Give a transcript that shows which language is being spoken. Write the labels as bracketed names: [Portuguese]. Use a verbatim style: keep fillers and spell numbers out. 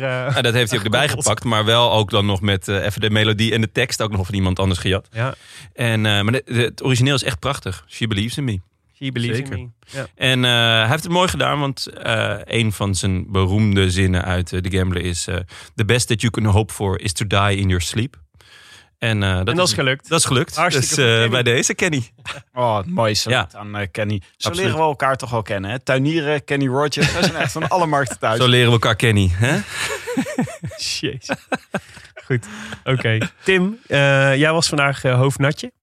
[Dutch] ja, dat heeft hij ook erbij gepakt, maar wel ook dan nog met uh, even de melodie en de tekst ook nog van iemand anders gejat. Ja. En, uh, maar de, de, het origineel is echt prachtig. [English] She Believes in Me. She believes [Dutch] Zeker. [English] in me. [Dutch] Ja. En uh, hij heeft het mooi gedaan, want uh, een van zijn beroemde zinnen uit uh, The Gambler is... [English] Uh, The best that you can hope for is to die in your sleep. [Dutch] En, uh, dat, en dat is gelukt. Dat is gelukt. Hartstikke dus uh, bij deze, Kenny. Oh, mooi salut ja. aan uh, Kenny. Zo Absoluut. leren we elkaar toch wel kennen. Hè? Tuinieren, Kenny Rogers. Dat zijn echt van alle markten thuis. Zo leren we elkaar Kenny. Hè? Jeez. Goed. Oké. Okay. Tim, uh, jij was vandaag uh, hoofdnatje.